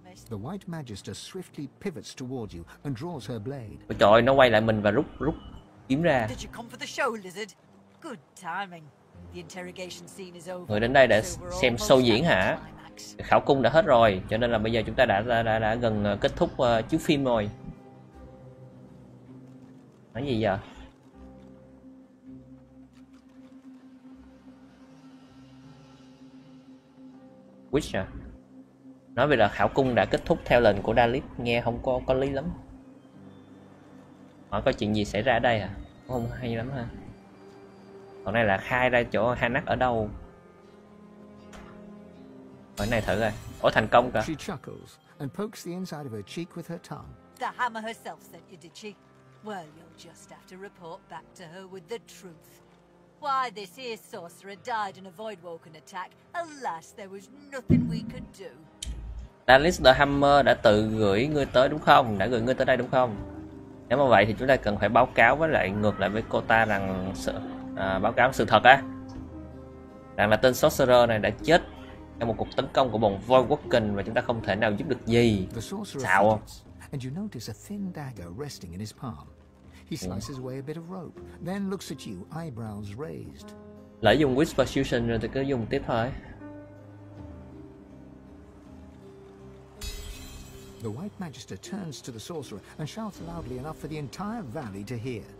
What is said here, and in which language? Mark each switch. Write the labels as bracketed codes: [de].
[en] The White Magister swiftly pivots towards you and draws her blade. [vi] Ôi trời, nó quay lại mình và rút kiếm ra. [en] Did you come for the show, lizard? Good timing. The interrogation scene is over. [vi] Người đến đây để xem show diễn hả? Khảo cung đã hết rồi, cho nên là bây giờ chúng ta đã gần kết thúc chiếu phim rồi. Nói gì giờ? Witch à? Nói về là khảo cung đã kết thúc theo lệnh của Dalip, nghe không có lý lắm. Hỏi có chuyện gì xảy ra ở đây à? Không hay lắm ha. Còn này là khai ra chỗ Hanag ở đâu. Hỏi này thử coi. Ủa, thành công cả. [en] She chuckles and pokes the inside of her cheek with her tongue. The hammer herself sent you, did she? Well, you'll just have to report back to her with the truth. Why this here sorcerer died in a Voidwalker attack? Alas, there was nothing we could do. [vi] Dalis the Hammer đã tự gửi ngươi tới đúng không? Đã gửi ngươi tới đây đúng không? Nếu mà vậy thì chúng ta cần phải báo cáo với lại ngược lại với cô ta rằng báo cáo sự thật á. Rằng là tên sorcerer này đã chết trong một cuộc tấn công của bọn Voidwalker và chúng ta không thể nào giúp được gì. Xạo. [en] And you notice a thin dagger resting in his palm. He slices away a bit of rope, then looks at you, eyebrows raised. [vi] Lại dùng Whisper Fusion rồi thì cứ dùng tiếp thôi. [en] The White Magister turns to the sorcerer and shouts loudly enough for the entire valley to hear.